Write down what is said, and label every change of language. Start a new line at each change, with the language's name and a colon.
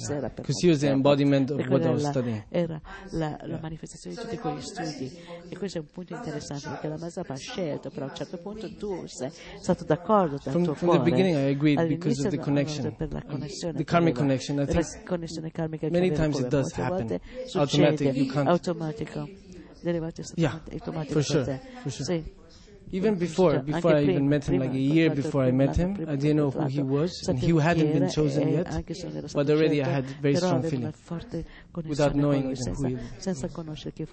English: Because he was the embodiment of what I was studying.
Italian: Era la manifestazione di tutti quegli studi. E questo è un punto interessante, perché la Mazzapa ha scelto, però a un certo punto tu sei stato d'accordo.
English: From the beginning I agreed because of the connection. The karmic connection. I think many times it does happen. Automatic, you can't.
Italian: Automatico.
English: Yeah, for sure, for sure. Even before I even met him, like a year before I met him, I didn't know who he was, and he hadn't been chosen yet, but already I had very strong feeling, without knowing even who he was.